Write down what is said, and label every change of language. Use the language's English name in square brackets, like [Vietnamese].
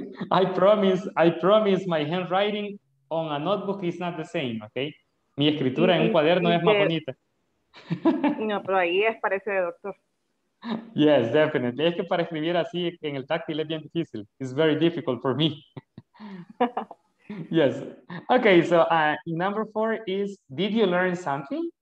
[English] I promise my handwriting on a notebook is not the same, okay? [Spanish] Mi escritura en un cuaderno es más bonita. No, pero ahí es parecido, doctor. [English] Yes, definitely. [Spanish] Es que para escribir así en el táctil es bien difícil. [English] It's very difficult for me. Yes. Okay, so number four is, did you learn something?